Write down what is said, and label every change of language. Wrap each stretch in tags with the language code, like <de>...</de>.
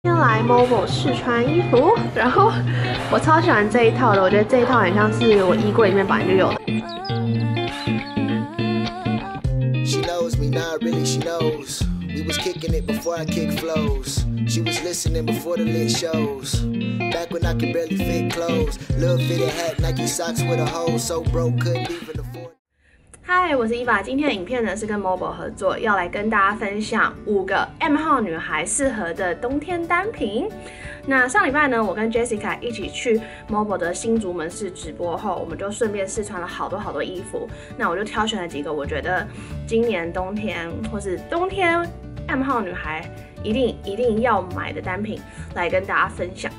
<zh>来某某试穿衣服，然后我超喜欢这一套的，我觉得这一套很像是我衣柜里面本来就有的。</zh> <en>She knows me, not really, she knows. We was kicking it before I kick flows. She was listening before the lit shows. Back when I could barely fit clothes. Little fitted hat, Nike socks with a hole so broke, couldn't even afford.</en> <zh>Hi, 我是伊娃，今天的影片呢是跟 Mobile 合作，要来跟大家分享五个 M 号女孩适合的冬天单品。那上礼拜呢，我跟 Jessica 一起去 Mobile 的新竹门市直播后，我们就顺便试穿了好多好多衣服。那我就挑选了几个我觉得今年冬天或是冬天 M 号女孩一定要买的单品来跟大家分享。</zh>